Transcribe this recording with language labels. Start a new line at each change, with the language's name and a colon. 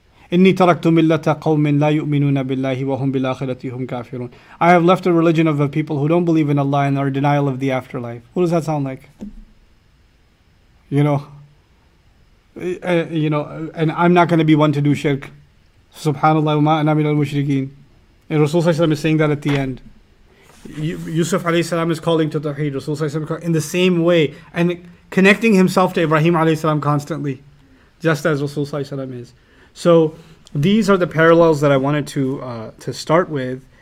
Arabic: إِنِّي تَرَكْتُ مِلَّةَ قَوْمٍ لَا يُؤْمِنُونَ بِاللَّهِ وَهُمْ بِالْآخِرَةِ هُمْ كَافِرُونَ.
English: I have left a religion of a people who don't believe in Allah and are in denial of the afterlife. What does that sound like? You know, and I'm not going to be one to do shirk.
Arabic: Subhanallah, وَمَا أَنَا مِنَ الْمُشْرِكِينَ.
English: And Rasulullah is saying that at the end. Yusuf alayhi salam is calling to Tawheed. Rasulullah in the same way, and connecting himself to Ibrahim alayhi salam constantly, just as Rasulullah is. So these are the parallels that I wanted to start with.